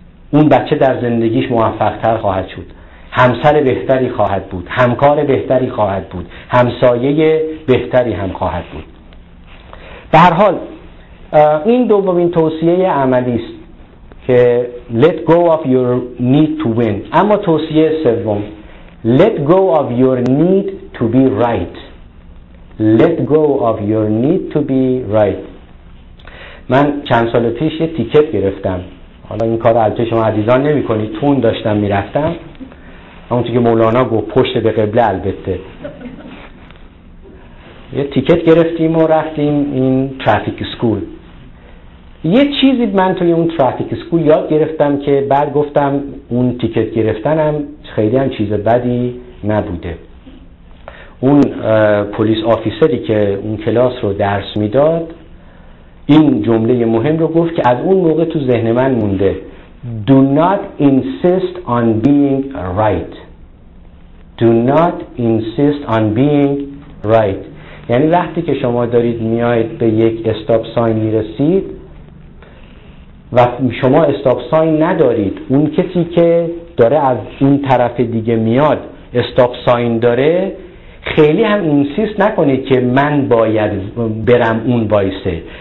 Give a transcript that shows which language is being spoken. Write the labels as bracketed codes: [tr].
[fa] اون بچه در زندگیش موفق تر خواهد شد، همسر بهتری خواهد بود، همکار بهتری خواهد بود، همسایه بهتری هم خواهد بود. به هر حال این دومین توصیه عملی است که [en] let go of your need to win. [fa] اما توصیه سوم، [en] let go of your need to be right. Let go of your need to be right. [fa] من چند سال پیش یه تیکت گرفتم، حالا این کار رو البته شما عزیزان نمی کنی، تون داشتم می رفتم، همونطور که مولانا گفت پشت به قبله، البته یه تیکت گرفتیم و رفتیم این ترافیک سکول. یه چیزی من توی اون ترافیک سکول یاد گرفتم که بعد گفتم اون تیکت گرفتنم خیلی هم چیز بدی نبوده. اون پلیس آفیسری که اون کلاس رو درس میداد این جمله مهم رو گفت که از اون موقع تو ذهن من مونده: [en] Do not insist on being right. Do not insist on being right. [fa] یعنی وقتی که شما دارید میایید به یک استاپ ساین میرسید و شما استاپ ساین ندارید، اون کسی که داره از اون طرف دیگه میاد استاپ ساین داره، خیلی هم اینسیست نکنید که من باید برم اون وایسه.